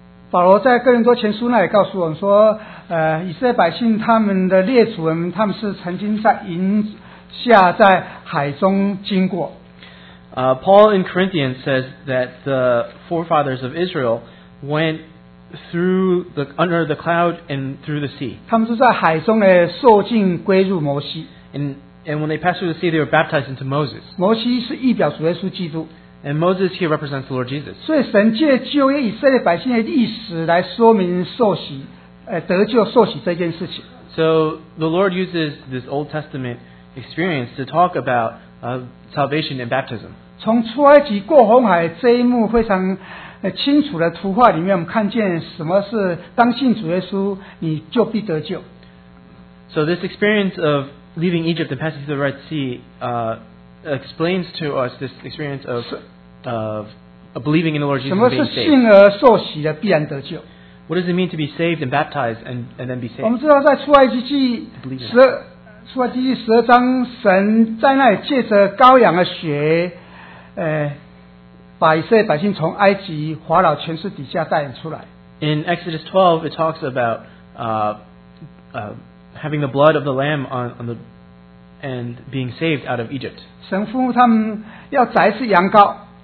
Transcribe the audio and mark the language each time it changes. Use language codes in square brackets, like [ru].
[zh] 保罗在哥林多前书那也告诉我们说，以色列百姓他们的列祖们，他们是曾经在营下在海中经过。 [en] Paul in Corinthians says that the forefathers of Israel went through the under the cloud and through the sea. [zh] 他们是在海中呢受浸归入摩西。 [en] And when they passed through the sea, they were baptized into Moses. [zh] 摩西是预表主耶稣基督。 [en] And Moses here represents the Lord Jesus. [zh] 所以神借旧约以色列百姓的历史来说明受洗，得救受洗这件事情。 [en] So the Lord uses this Old Testament experience to talk about salvation and baptism. [zh] 从出埃及过红海这一幕非常清楚的图画里面，我们看见什么是当信主耶稣，你就必得救。 [en] So this experience of leaving Egypt and passing through the Red Sea explains to us this experience of believing in the Lord Jesus and being saved. What does it mean to be saved and baptized and then be saved? [zh] 我们知道在出埃及记十二章，神在那里借着羔羊的血，把以色列百姓从埃及法老权势底下带领出来。 [en] In Exodus 12, it talks about having the blood of the lamb on the and being saved out of Egypt. [zh] 神吩咐他们要宰一只羊羔。